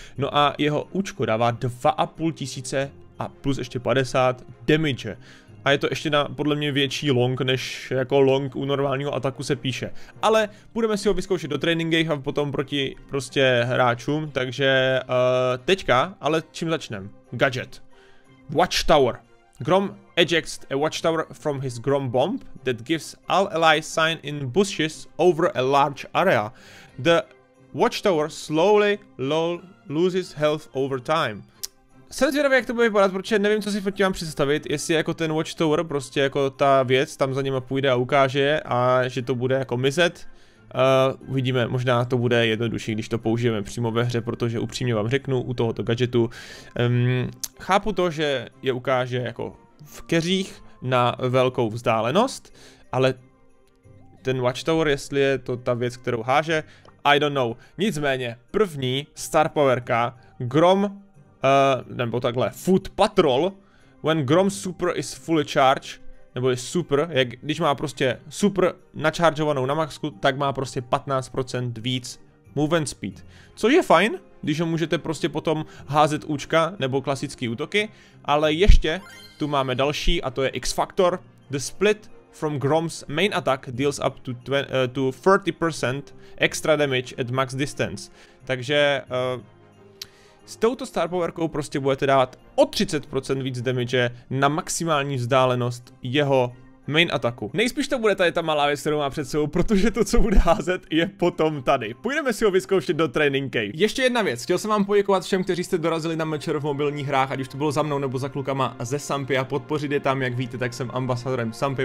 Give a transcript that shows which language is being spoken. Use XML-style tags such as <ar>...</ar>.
<cs>No a jeho účko dává 2500 a plus ještě 50 damage. A je to ještě na podle mě větší long, než jako long u normálního ataku se píše. Ale budeme si ho vyzkoušet do tréninkech a potom proti prostě hráčům, takže teďka, ale čím začneme?</cs> <en>Gadget. Watchtower. Grom ejects a watchtower from his Grom bomb that gives all allies sign in bushes over a large area. The watchtower slowly loses health over time.</en> <cs>Jsem zvědavý, jak to bude vypadat, protože nevím, co si pod tím mám představit, jestli jako ten watchtower, prostě jako ta věc, tam za nima půjde a ukáže a že to bude jako mizet. Uvidíme, možná to bude jednodušší, když to použijeme přímo ve hře, protože upřímně vám řeknu, u tohoto gadgetu. Chápu to, že je ukáže jako v keřích na velkou vzdálenost, ale ten watchtower, jestli je to ta věc, kterou háže,</cs> <en>I don't know.</en> <cs>Nicméně, první star powerka, Grom... nebo takhle, Foot Patrol,</cs> <en>when Grom Super is fully charged,</en> <cs>nebo je super, jak, když má prostě super načaržovanou na maxku, tak má prostě 15% víc movement speed. Což je fajn, když ho můžete prostě potom házet účka nebo klasický útoky, ale ještě tu máme další a to je X-Factor.</cs> <en>The split from Grom's main attack deals up to, 30% extra damage at max distance.</en> <cs>Takže... S touto star powerkou prostě budete dát o 30% víc damage na maximální vzdálenost jeho main ataku. Nejspíš to bude tady ta malá věc, kterou má před sebou, protože to, co bude házet, je potom tady. Půjdeme si ho vyzkoušet do training cave. Ještě jedna věc, chtěl jsem vám poděkovat všem, kteří jste dorazili na mečer v mobilních hrách, ať už to bylo za mnou nebo za klukama ze Sampy a podpořit je tam, jak víte, tak jsem ambasadorem Sampy.</cs>